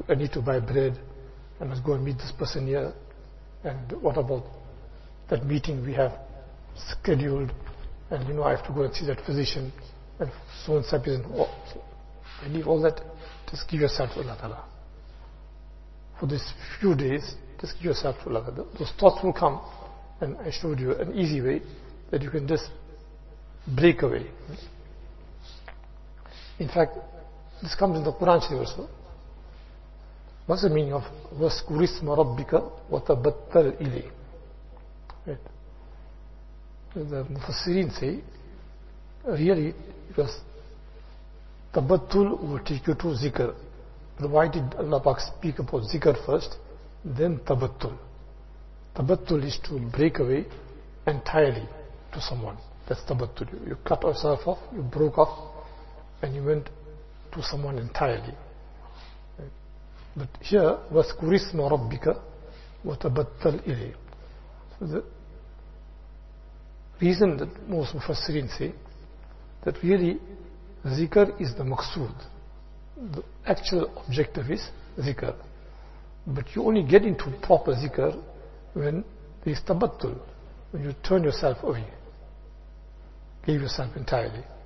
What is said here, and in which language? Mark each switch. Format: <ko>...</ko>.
<en>I need to buy bread, I must go and meet this person here, and what about that meeting we have scheduled, and you know I have to go and see that physician, and so on, so I leave all that, just give yourself to Allah Ta'ala. For these few days, just give yourself to Allah Ta'ala. Those thoughts will come, and I showed you an easy way that you can just break away. In fact, this comes in the Quran Sharif also. What's the meaning of</en> <ar>وَاسْكُرِ اسْمَ رَبِّكَ وَتَبَتَّلْ إِلَيْهِ?</ar> <en>The Mufassirin say, really, because tabattul will take you to zikr. But why did Allah Pak speak about zikr first, then tabattul? Tabattul is to break away entirely to someone. That's tabattul. You cut yourself off, you broke off, and you went to someone entirely. But here,</en> <ar>وَاسْكُرِ اسْمَ رَبِّكَ وَتَبَتَّلْ إِلَيْهِ.</ar> <en>So the reason that most Mufassirin say that really zikr is the maqsood. The actual objective is zikr. But you only get into proper zikr when there is tabattul, when you turn yourself away, give yourself entirely.</en>